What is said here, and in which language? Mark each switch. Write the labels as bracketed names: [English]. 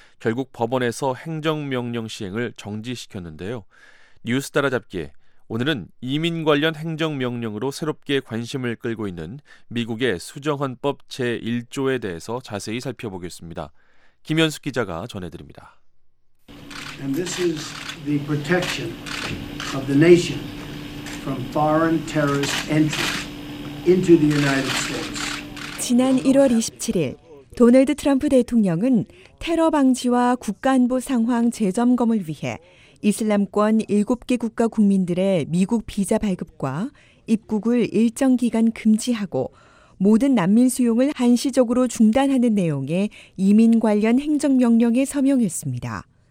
[Korean] 결국 법원에서 행정명령 시행을 정지시켰는데요. 뉴스 따라잡기에 오늘은 이민 관련 행정명령으로 새롭게 관심을 끌고 있는 미국의 수정헌법 제1조에 대해서 자세히 살펴보겠습니다. 김현숙 기자가 전해드립니다. [English] And this is the protection of the nation from foreign terrorist entry into the United States. [Korean] 지난 1월 27일 도널드 트럼프 대통령은 테러 방지와 국가안보 상황 재점검을 위해 이슬람권 7개 국가 국민들의 미국 비자 발급과 입국을 일정 기간 금지하고 모든 난민 수용을 한시적으로 중단하는 내용의 이민 관련 행정명령에 서명했습니다.